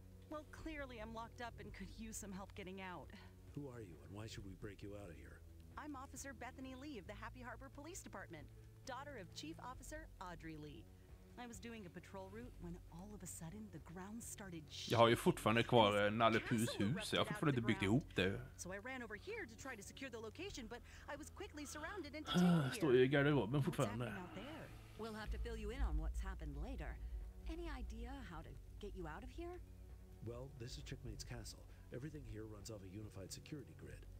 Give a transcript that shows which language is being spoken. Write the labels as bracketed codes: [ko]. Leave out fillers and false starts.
[en] Well, clearly I'm locked up and could use some help getting out. Who are you and why should we break you out of here? I'm Officer Bethany Lee of the Happy Harbor Police Department, daughter of Chief Officer Audrey Lee. I was doing a patrol route when all of a sudden the ground started shaking. [sv] Jag har ju fortfarande kvar Nalle Pus hus. Jag har fortfarande inte byggt ihop det. [en] So I ran over here to try to secure the location, but I was quickly surrounded and detained here. [sv] Står i garderoben fortfarande. [en] We'll have to fill you in on what's happened later. Any idea how to get you out of here? Well, this is Checkmate's castle. Everything here runs off a unified security grid.